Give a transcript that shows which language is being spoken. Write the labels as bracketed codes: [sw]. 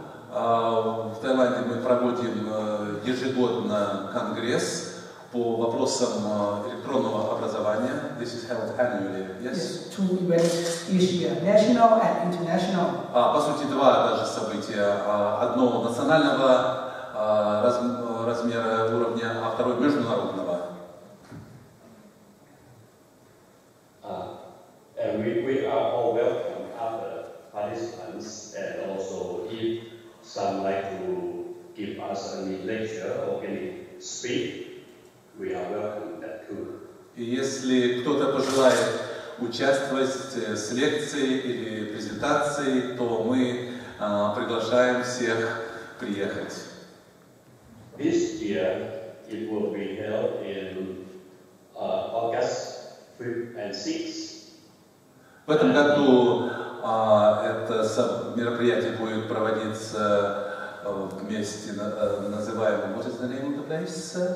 [ru] В Таиланде мы проводим ежегодно конгресс по вопросам электронного образования. [en] This is held annually. Yes. Yes, two events each year, national and international. [ru] По сути, два даже события. Одно национального размера уровня, а второе международного. [en] And we are all welcome other participants, and also if some like to give us any lecture or any speak, we are welcome that too. [ru] И если кто-то пожелает участвовать с лекцией или презентацией, то мы приглашаем всех приехать. [en] This year it will be held in August 5 and 6. [ru] В этом году это мероприятие будет проводиться в месте, называемом, [en] what is the name of the place?